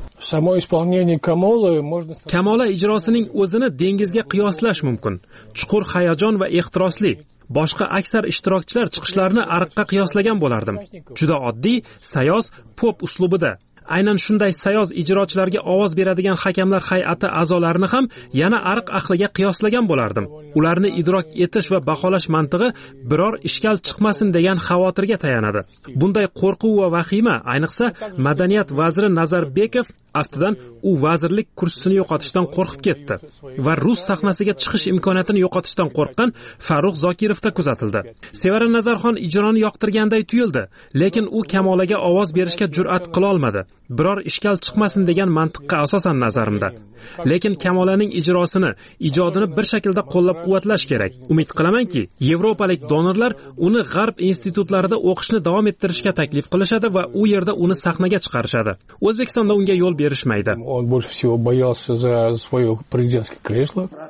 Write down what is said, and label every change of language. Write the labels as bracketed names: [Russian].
[Russian] Само исполнение Камолы можно [Uzbek] Камола ijrosining o'zini dengizga qiyoslash mumkin. Chuqur hayajon va ehtirosli. Boshqa aksar ishtirokchilar chiqishlarini ariqqa qiyoslagan bo'lardim. Juda oddiy, sayoz pop uslubida. Aynan shunday sayoz ijrochilarga ovoz beradigan hakamlar hay'ati a'zolarini ham yana ariq ahliga qiyoslagan bo'lardim. Ularni idrok etish va baholash mantig'i biror ishkal chiqmasin degan xavotirga tayanadi. Bunday qo'rquv va vahima, ayniqsa madaniyat vaziri Nazarbekov aftidan u vazirlik kursisini yo'qotishdan qo'rqib ketdi va rus sahnasiga chiqish imkoniyatini yo'qotishdan qo'rqqan Farux Zokirovda kuzatildi. Sevara Nazarxon ijroni yoqtirganday tuyuldi, lekin u Kamolaga ovoz berishga jur'at qila olmadi. Biror ishkal chiqmasin degan mantiqqa asosan nazarimda. Lekin Kamolaning ijrosini, ijodini bir shaklda qo'llab-quvvatlash kerak. Umid qilamanki, yevropalik donorlar uni g'arb institutlarida o'qishni davom ettirishga taklif qilishadi va u yerda uni sahnaga chiqarishadi. O'zbekistonda unga yo'l berishmaydi. [Russian] Он больше всего боялся за своё президентское кресло.